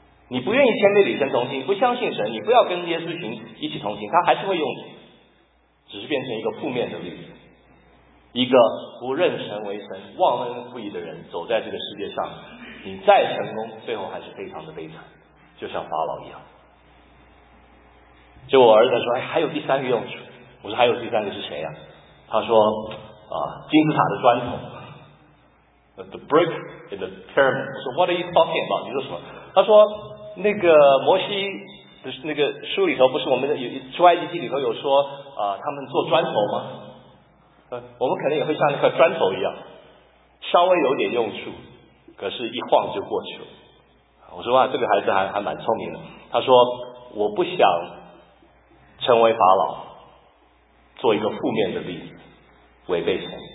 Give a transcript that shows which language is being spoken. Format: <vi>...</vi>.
<zh>你不愿意谦卑与神同行，不相信神，你不要跟耶稣群一起同行，他还是会用你，只是变成一个负面的例子，一个不认神为神、忘恩负义的人走在这个世界上，你再成功，最后还是非常的悲惨，就像法老一样。就我儿子说，哎，还有第三个用处。我说还有第三个是谁呀？他说金字塔的砖头 ，</zh> <en>the brick in the pyramid。我说 What are you talking about？</en> <zh>你说什么？他说那个摩西的那个书里头，不是我们的出埃及记里头有说他们做砖头吗？我们可能也会像那块砖头一样，稍微有点用处，可是一晃就过去了。我说哇，这个孩子还蛮聪明的。他说我不想成为法老，做一个负面的例子，违背神。</zh>